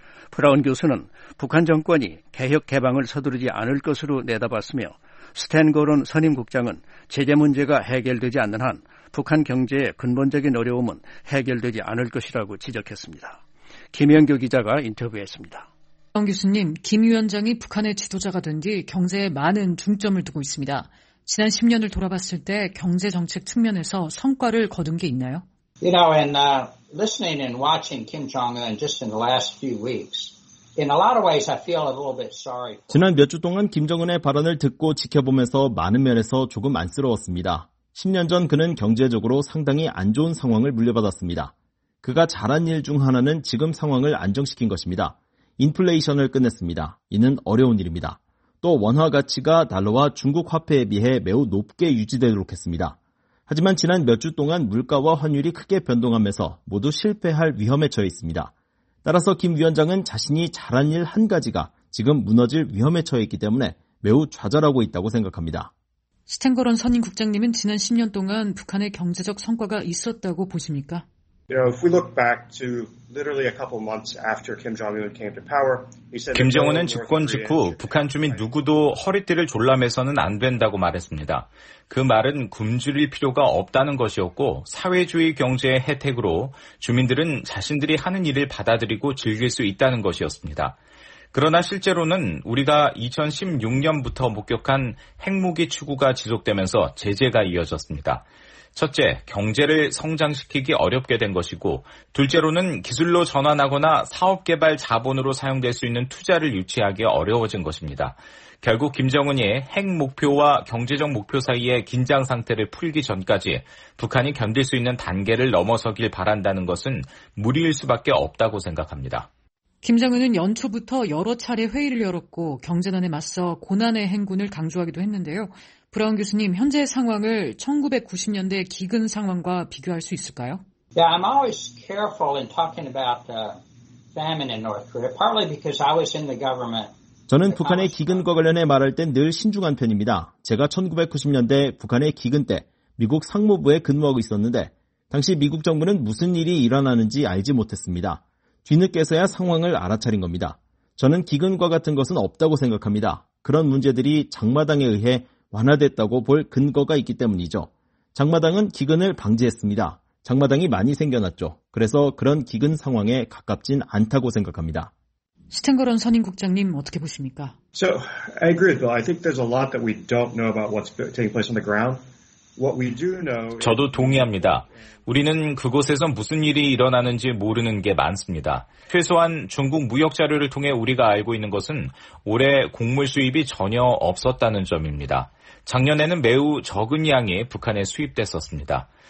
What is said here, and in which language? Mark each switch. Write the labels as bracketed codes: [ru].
[ko] 브라운 교수는 북한 정권이 개혁 개방을 서두르지 않을 것으로 내다봤으며 스탠걸은 선임국장은 제재 문제가 해결되지 않는 한 북한 경제의 근본적인 어려움은 해결되지 않을 것이라고 지적했습니다. 김영교 기자가 인터뷰했습니다. 정 교수님, 김 위원장이 북한의 지도자가 된 뒤 경제에 많은 중점을 두고 있습니다. 지난 10년을 돌아봤을 때 경제 정책 측면에서 성과를 거둔 게 있나요? [en] You know, in listening and watching Kim Jong-un just in the last few weeks, in a lot of ways I feel a little bit sorry. [ko] 지난 몇 주 동안 김정은의 발언을 듣고 지켜보면서 많은 면에서 조금 안쓰러웠습니다. 10년 전 그는 경제적으로 상당히 안 좋은 상황을 물려받았습니다. 그가 잘한 일 중 하나는 지금 상황을 안정시킨 것입니다. 인플레이션을 끝냈습니다. 이는 어려운 일입니다. 또 원화 가치가 달러와 중국 화폐에 비해 매우 높게 유지되도록 했습니다. 하지만 지난 몇 주 동안 물가와 환율이 크게 변동하면서 모두 실패할 위험에 처해 있습니다. 따라서 김 위원장은 자신이 잘한 일 한 가지가 지금 무너질 위험에 처해 있기 때문에 매우 좌절하고 있다고 생각합니다. 스탠거런 선임 국장님은 지난 10년 동안 북한의 경제적 성과가 있었다고 보십니까? [en] You know, if we look back to literally a couple months after Kim Jong-un came to power, he said [ko] 김정은은 집권 직후 북한 주민 누구도 허리띠를 졸라매서는 안 된다고 말했습니다. 그 말은 굶주릴 필요가 없다는 것이었고 사회주의 경제의 혜택으로 주민들은 자신들이 하는 일을 받아들이고 즐길 수 있다는 것이었습니다. 그러나 실제로는 우리가 2016년부터 목격한 핵무기 추구가 지속되면서 제재가 이어졌습니다. 첫째, 경제를 성장시키기 어렵게 된 것이고, 둘째로는 기술로 전환하거나 사업개발 자본으로 사용될 수 있는 투자를 유치하기 어려워진 것입니다. 결국 김정은이 핵 목표와 경제적 목표 사이의 긴장 상태를 풀기 전까지 북한이 견딜 수 있는 단계를 넘어서길 바란다는 것은 무리일 수밖에 없다고 생각합니다. 김정은은 연초부터 여러 차례 회의를 열었고 경제난에 맞서 고난의 행군을 강조하기도 했는데요. 브라운 교수님, 현재 상황을 1990년대 기근 상황과 비교할 수 있을까요? [en] Yeah, I'm always careful in talking about the famine in North Korea, partly because I was in the government. [ko] 저는 북한의 기근과 관련해 말할 땐 늘 신중한 편입니다. 제가 1990년대 북한의 기근 때 미국 상무부에 근무하고 있었는데 당시 미국 정부는 무슨 일이 일어나는지 알지 못했습니다. 뒤늦게서야 상황을 알아차린 겁니다. 저는 기근과 같은 것은 없다고 생각합니다. 그런 문제들이 장마당에 의해 완화됐다고 볼 근거가 있기 때문이죠. 장마당은 기근을 방지했습니다. 장마당이 많이 생겨났죠. 그래서 그런 기근 상황에 가깝진 않다고 생각합니다. 스탠거런 선임 국장님 어떻게 보십니까? [en] So, I agree with Bill. I think there's a lot that we don't know about what's taking place on the ground. What we do know is... [ko] 저도 동의합니다. 우리는 그곳에서 무슨 일이 일어나는지 모르는 게 많습니다. 최소한 중국 무역 자료를 통해 우리가 알고 있는 것은 올해 곡물 수입이 전혀 없었다는 점입니다. 작년에는 매우 적은 양이 북한에 수입됐었습니다.